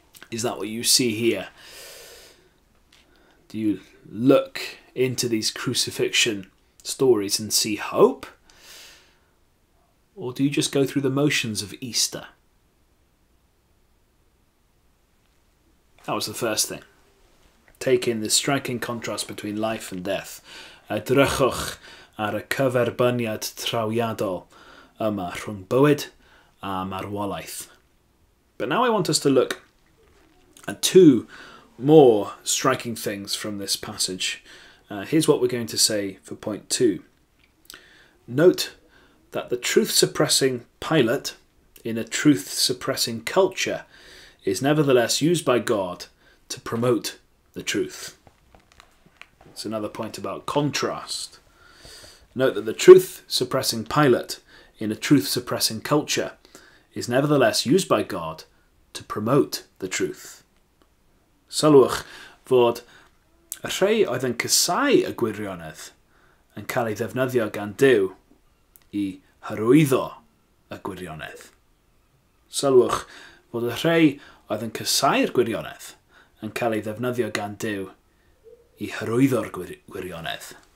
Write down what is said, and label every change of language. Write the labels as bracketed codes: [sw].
[en] Is that what you see here? Do you look into these crucifixion stories and see hope? Or do you just go through the motions of Easter? That was the first thing. Take in this striking contrast between life and death. [cy] Edrychwch ar y cyferbyniad trawiadol yma rhwng bywyd a marwolaeth. [en] But now I want us to look at two more striking things from this passage. Here's what we're going to say for point two. Note that the truth-suppressing Pilate in a truth-suppressing culture is nevertheless used by God to promote the truth. It's another point about contrast. Note that the truth-suppressing Pilate in a truth-suppressing culture is nevertheless used by God to promote the truth. [cy] Sylwch fod y rhai oedd yn casáu y gwirionedd yn cael ei ddefnyddio gan Duw I hyrwyddo y gwirionedd. Sylwch fod y rhai oedd yn casáu'r gwirionedd yn cael ei ddefnyddio gan Duw I hyrwyddo'r gwirionedd.